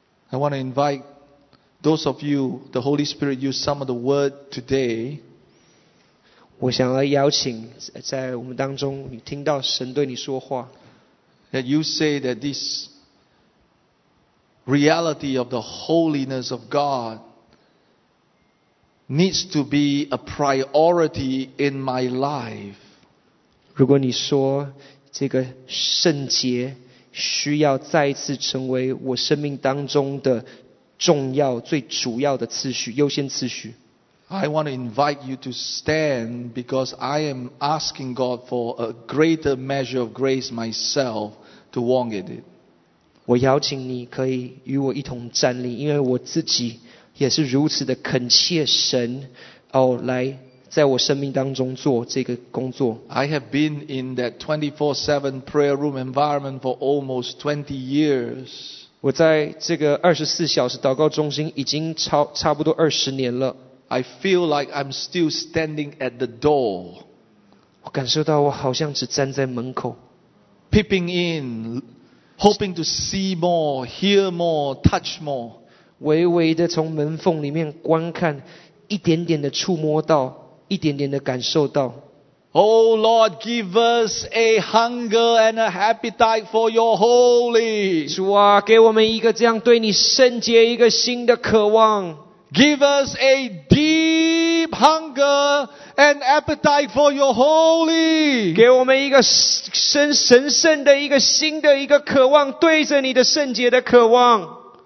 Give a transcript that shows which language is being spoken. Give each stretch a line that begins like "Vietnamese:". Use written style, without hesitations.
English: I want to invite those of you, the Holy Spirit used some of the word today.
Chinese: 我想要邀请在我们当中你听到神对你说话。
English: That you say that this reality of the holiness of God needs to be a priority in my life.
Chinese: 如果你说这个圣洁需要再次成为我生命当中的重要最主要的次序优先次序。
English: I want to invite you to stand because I am asking God for a greater measure of grace myself to warrant it.
Chinese: 我邀请你可以与我一同站立，因为我自己也是如此的恳切神哦来在我生命当中做这个工作。
English: I have been in that 24/7 prayer room environment for almost 20 years.
Chinese: 我在这个24小时祷告中心已经差不多20年了。
English: I feel like I'm still standing at the door.
Chinese: 我感受到我好像只站在门口。
English: Peeping in, hoping to see more, hear more, touch more.
Chinese: 微微的从门缝里面观看，一点点的触摸到。一点点的感受到。
English: Oh Lord, give us a hunger and a appetite for your holy.
Chinese: 主啊，给我们一个这样对你圣洁一个新的渴望。
English: Give us a deep hunger and appetite for your holy.
Chinese: 给我们一个神圣的一个新的一个渴望，对着你的圣洁的渴望。